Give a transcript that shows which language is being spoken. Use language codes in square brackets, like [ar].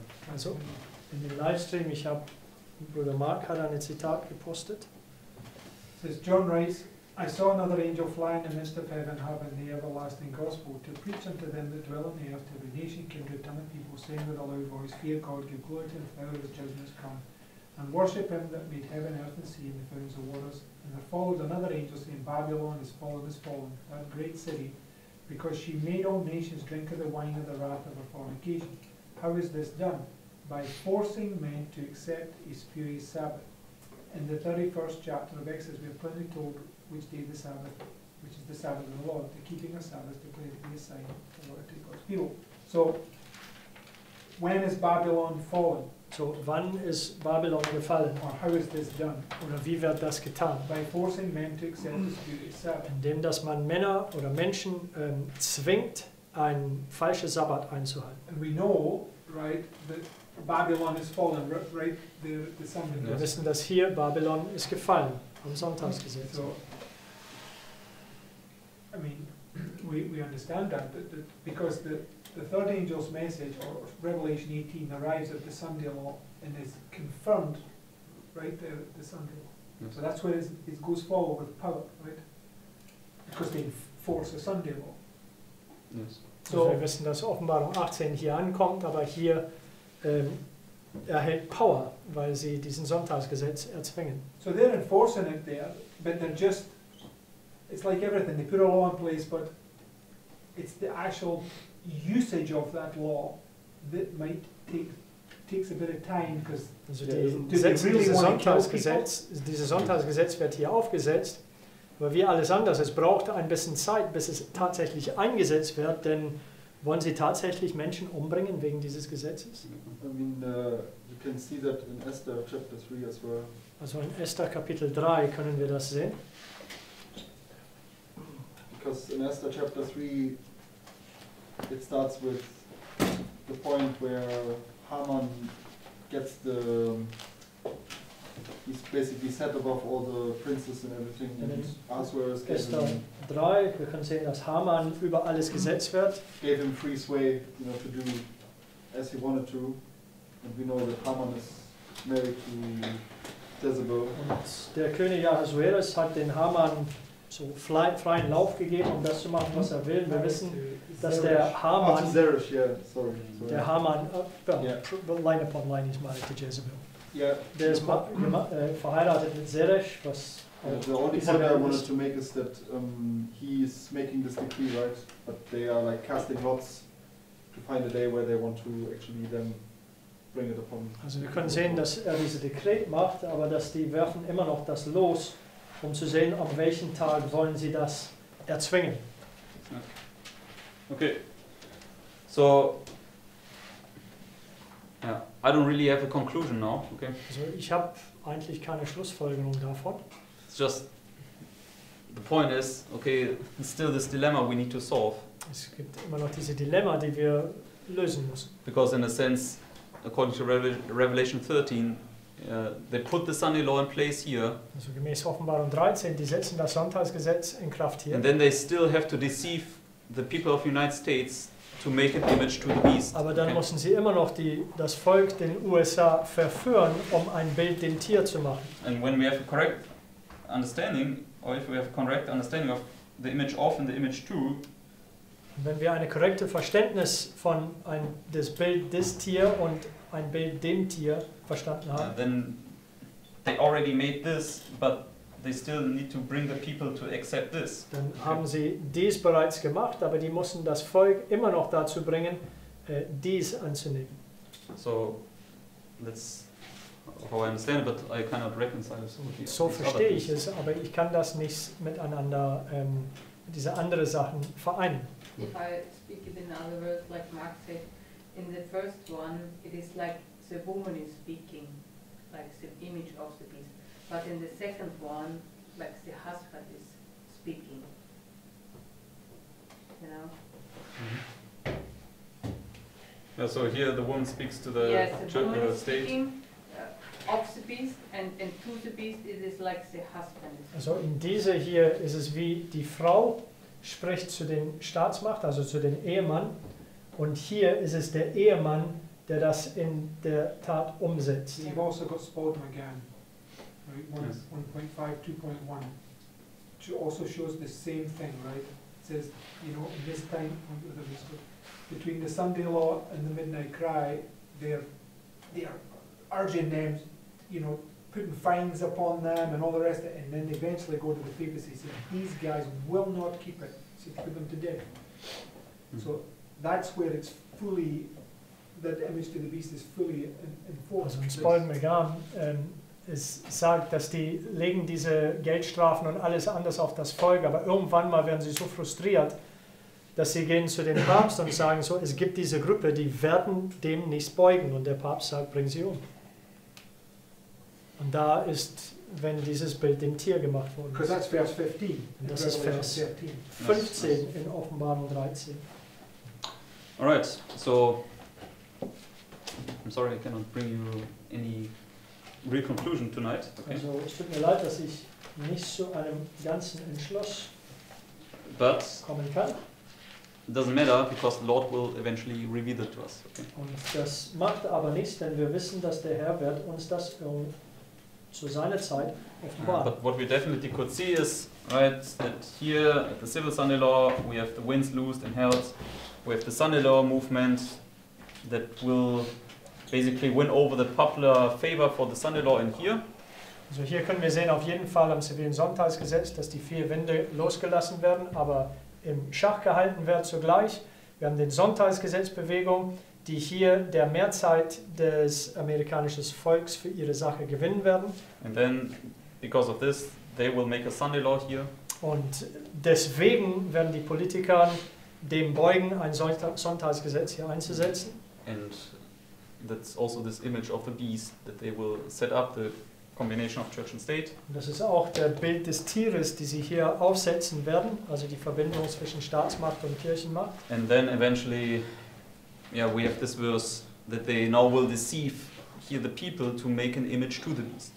[de] Also in dem Livestream, ich habe, Bruder Mark hat ein Zitat gepostet. [en] It says John Rice, I saw another angel fly in the midst of heaven, having the everlasting gospel, to preach unto them that dwell on the earth, to every nation, kindred, tongue, and people, saying with a loud voice, fear God, give glory to him, for the hour of his judgment has come. And worship him that made heaven, earth, and sea, and the fountains of waters. And there followed another angel, saying, Babylon is fallen, that great city, because she made all nations drink of the wine of the wrath of her fornication. How is this done? By forcing men to accept a spurious Sabbath. In the 31st chapter of Exodus, we are plainly told which day the Sabbath, which is the Sabbath of the Lord, the keeping of Sabbath, declared to be a sign of the Lord to God's people. So, when is Babylon fallen? [de] So, wann ist Babylon gefallen? [en] Or how is this done? [de] Oder wie wird das getan? [en] By forcing men to accept this view itself. [de] Indem dass man Männer oder Menschen zwingt, ein falsches Sabbat einzuhalten. [en] And we know, right, that Babylon is fallen, right, the Sunday. [de] Wir wissen, dass hier Babylon ist gefallen, am Sonntagsgesetz. [en] So, I mean, we understand that, that because the third angel's message, or Revelation 18, arrives at the Sunday law and is confirmed, right, the Sunday law. Yes. So that's where it goes forward with power, right? Because they enforce the Sunday law. Yes. [de] So wir wissen, dass Offenbarung 18 hier ankommt, aber hier erhält Power, weil sie diesen Sonntagsgesetz erzwingen. [en] So they're enforcing it there, but they're just, it's like everything, they put a law in place, but it's the actual usage of that law that might takes a bit of time, because [de] also dieses Sonntagsgesetz wird hier aufgesetzt, aber wie alles anders, es braucht ein bisschen Zeit, bis es tatsächlich eingesetzt wird, denn wollen sie tatsächlich Menschen umbringen wegen dieses Gesetzes? [en] I mean, you can see that in Esther chapter 3 as well. [de] Also in Esther Kapitel 3 können wir das sehen. [en] Because in Esther chapter 3 it starts with the point where Haman gets the, he's basically set above all the princes and everything, and Ahasuerus gave [de] Esther 3, wir können sehen, dass Haman über alles gesetzt wird. [en] Gave him free sway, you know, to do as he wanted to. And we know that Haman is married to Jezebel. [de] Und der König Ahasuerus hat den Haman so freien Lauf gegeben, um das zu machen, was er will. Wir wissen, dass der Haman, [en] oh, Zeresh, yeah. Sorry. [de] Der Haman, [en] yeah. Line upon line, is married to Jezebel. Yeah. [de] Der ist verheiratet mit Zeresh, was [en] The only point I wanted to make is that he is making this decree, right? But they are like casting lots to find a day where they want to actually then bring it upon. [de] Also wir können sehen, dass er dieses Dekret macht, aber dass die werfen immer noch das los, um zu sehen, auf welchen Tag wollen sie das erzwingen. [en] Okay. So, yeah, I don't really have a conclusion now. Okay. [de] Also ich habe eigentlich keine Schlussfolgerung davon. [en] It's just, the point is, okay, still this dilemma we need to solve. [de] Es gibt immer noch diese Dilemma, die wir lösen müssen. [en] Because in a sense, according to Revelation 13, they put the Sunday law in place here. [de] Also gemäß Offenbarung 13, die setzen das Sonntagsgesetz in Kraft hier. [en] And then they still have to deceive the people of the United States to make an image to the beast. [de] Aber dann mussten sie immer noch das Volk den USA verführen, um ein Bild dem Tier zu machen. [en] And when we have a correct understanding, or if we have a correct understanding of the image of and the image to, [de] wenn wir eine korrekte Verständnis von das Bild des Tier und ein Bild dem Tier verstanden haben, [en] then they already made this, but they still need to bring the people to accept this. [de] Dann haben sie dies bereits gemacht, aber die mussten das Volk immer noch dazu bringen, dies anzunehmen. [en] So, that's how I understand it, but I cannot reconcile it. [de] So verstehe ich es, aber ich kann das nicht miteinander, diese andere Sachen vereinen. [en] If I speak it in other words, like Mark said, in the first one, it is like the woman is speaking, like the image of the beast. But in the second one, like the husband is speaking. You know? Mm-hmm. Yeah, so here the woman speaks to the, yes, the woman state. Is speaking of the beast, and to the beast, it is like the husband. [de] Also in dieser hier ist es wie die Frau spricht zu den Staatsmacht, also zu den Ehemann, und hier ist es der Ehemann, der das in der Tat umsetzt. [en] You've also got spoken again, right? 1.5, 2.1, which also shows the same thing, right? It says, you know, in this time, between the Sunday law and the midnight cry, they are urging them, you know, putting fines upon them and all the rest of it, and then they eventually go to the papacy and say, these guys will not keep it, so put them to death. Mm-hmm. So that's where it's fully, that image to the beast is fully enforced. [de] Also Paul McGann sagt, dass die legen diese Geldstrafen und alles anders auf das Volk, aber irgendwann mal werden sie so frustriert, dass sie gehen zu dem Papst und sagen, so, es gibt diese Gruppe, die werden dem nicht beugen. Und der Papst sagt, bring sie um. Und da ist, wenn dieses Bild dem Tier gemacht wurde. [en] Because that's Vers 15. [de] Und das ist Vers 15 in Offenbarung 13. [en] All right, so I'm sorry I cannot bring you any real conclusion tonight. Okay. [de] Also, es tut mir leid, dass ich nicht zu einem ganzen Entschluss [en] but [de] kommen kann. [en] It doesn't matter, because the Lord will eventually reveal it to us. Okay. [de] Und das macht aber nichts, denn wir wissen, dass der Herr wird uns das zu seiner Zeit offenbaren. [en] But what we definitely could see is, right, that here at the civil Sunday law, we have the winds loosed and held. We have the Sunday law movement that will basically win over the popular favor for the Sunday law in here. [de] Also hier können wir sehen auf jeden Fall am zivilen Sonntagsgesetz, dass die vier Winde losgelassen werden, aber im Schach gehalten wird zugleich. Wir haben den Sonntagsgesetzbewegung, die hier der Mehrzahl des amerikanischen Volks für ihre Sache gewinnen werden. [en] And then, because of this, they will make a Sunday law here. [de] Und deswegen werden die Politiker dem beugen, ein Sonntagsgesetz hier einzusetzen. [en] And that's also this image of the beast, that they will set up the combination of church and state. [de] Und das ist auch der Bild des Tieres, die sie hier aufsetzen werden, also die Verbindung zwischen Staatsmacht und Kirchenmacht. [en] And then eventually, yeah, we have this verse that they now will deceive here the people to make an image to the beast.